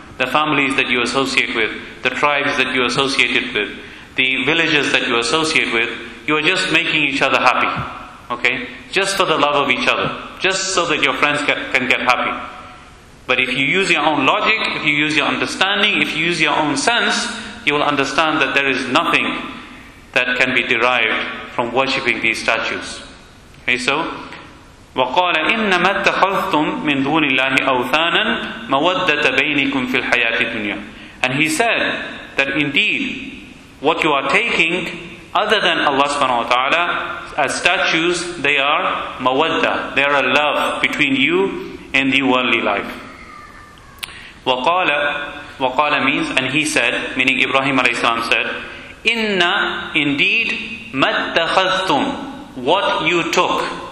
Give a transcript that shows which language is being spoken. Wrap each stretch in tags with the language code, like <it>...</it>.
<en>The families that you associate with, the tribes that you associated with, the villages that you associate with, you are just making each other happy. Okay? Just for the love of each other. Just so that your friends can get happy. But if you use your own logic, if you use your understanding, if you use your own sense, you will understand that there is nothing that can be derived from worshipping these statues.</en> <ar>Okay, so وَقَالَ إِنَّمَا اتَّخَذْتُم مِّن دُونِ اللَّهِ أَوْثَانًا مَوَدَّةَ بَيْنِكُمْ فِي الْحَيَاةِ الدُّنْيَا.</ar> <en>And he said that indeed, what you are taking other than Allah subhanahu wa ta'ala as statues, they are مَوَدَّة. They are a love between you and the worldly life. وَقَالَ means, and he said, meaning Ibrahim alayhi salam said, إِنَّ indeed مَتَّخَذْتُم, what you took.</en>